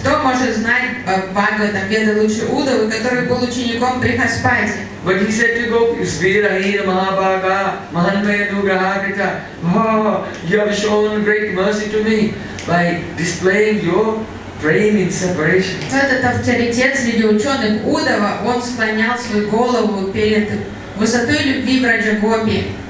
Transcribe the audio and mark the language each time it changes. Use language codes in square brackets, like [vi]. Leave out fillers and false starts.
[ru] Кто может знать Бхагавата Веда лучше Удава, который был учеником Брихаспати? [en] But he said to Gopis, [sa] Virahira Mahabhaga, Mahanmaya Nugrahakrita, [en] Oh, you have shown great mercy to me by displaying your Prem in separation. [ru] Этот авторитет среди ученых Удава, он склонял свою голову перед высотой любви в Раджа Гопи.